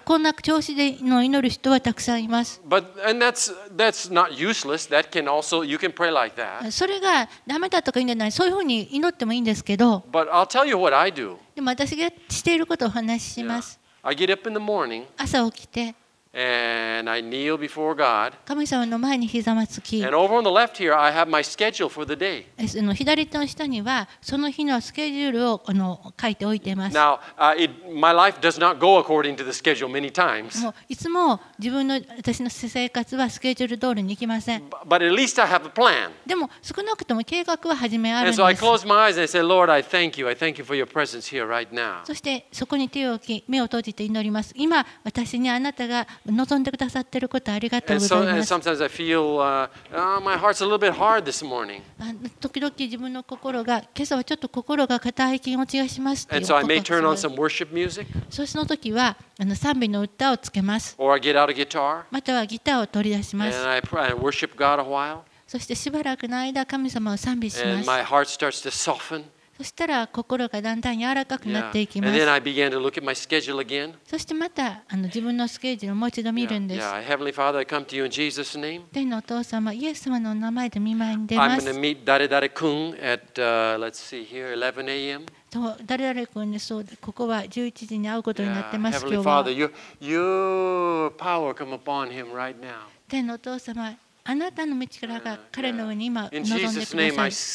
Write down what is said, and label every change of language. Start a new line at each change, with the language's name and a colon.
Japanese: こんな調子での祈る人はたくさんいます。
English: But and that's not useless. That can also you can pray like that.
Japanese: それがダメだとかいいんじゃない。そういうふうに祈ってもいいんですけど。
English: But I'll tell you what I do.
Japanese: でも私がしていることをお話しします。
English: I get up in the morning.
Japanese: 朝起きて。
English: And I kneel before God.
Japanese: 神様の前にひざまつき。
English: And over on the left here, I have my schedule for the day.
Japanese: 左手の下にはその日のスケジュールを書いておいてます。
English: Now, my life does not go according to the schedule many times.
Japanese: いつも自分の私の生活はスケジュール通りに行きません。
English: But at least I have a plan.
Japanese: でも少なくとも計画は初めあるんです。
English: And so I close my eyes and I say, Lord, I thank you. I thank you for your presence here right now.
Japanese: そしてそこに手を置き、目を閉じて祈ります。今私にあなたが望んでくださってることありがとうございます。
English: And sometimes I feel, my heart's a little bit hard this morning.
Japanese: 時々自分の心が、今朝はちょっと心が硬い気持ちがします。
English: And so I may turn on some worship music.
Japanese: そしての時は、賛美の歌をつけます。
English: Or I get out a guitar.
Japanese: またはギターを取り出します。
English: And I pray and worship God a while.
Japanese: そしてしばらくの間神様を賛美します。
English: And my heart starts to soften.
Japanese: そしたら心がだんだん柔らかくなっていきます。
English: And then I began to look at my schedule again.
Japanese: そしてまた自分のスケジュールをもう一度見るんです。
English: Yeah, yeah. Heavenly Father, I come to you in Jesus' name.
Japanese: 天のお父様、イエス様の名前で御前に出ます。
English: I'm going to meet 誰々君 at let's see here 11 a.m.
Japanese: と誰々君ね、そうここは11時に会うことになってます。
English: Yeah, Heavenly Father, your power come upon him right now.
Japanese: 天のお父様、あなたの道からが彼の上に今臨んでください。